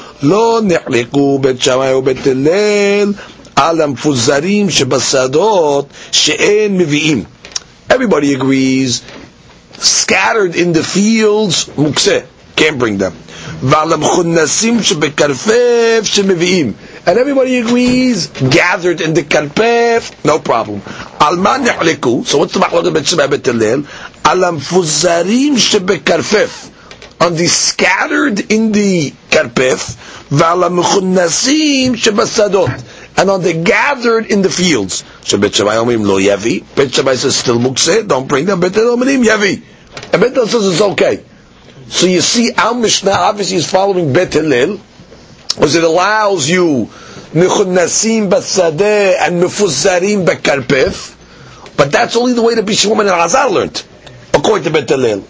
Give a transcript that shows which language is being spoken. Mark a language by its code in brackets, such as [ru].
[he] לא נחלקו בית שמאי ובית הלל על המפוזרים שבשדות שאין מביאים. [en] Everybody agrees, scattered in the fields, מוקסה, can't bring them. [he] ועל המכונסים שבקרפף שמביאים. [en] And everybody agrees, gathered in the קרפף, no problem. [he] על מה נחלקו? [en] So what's the [he] מחלוקת בית שמאי ובית הלל? על המפוזרים שבקרפף. [en] On the scattered in the karpef, [he] v'ala mechunasim shebasadot, [en] and on the gathered in the fields. So [he] Beit Shammai omrim lo yevi. [en] Beit Shammai says still mukseh, don't bring them. [he] Beit Shammai omrim yevi. [en] And Beit Shammai says it's okay. So you see, our Mishnah obviously is following Beit Hillel, because it allows you mechunasim basadeh and mefuzarim bekarpef, but that's only the way the Bishwoman and Hazar learned, according to Beit Hillel.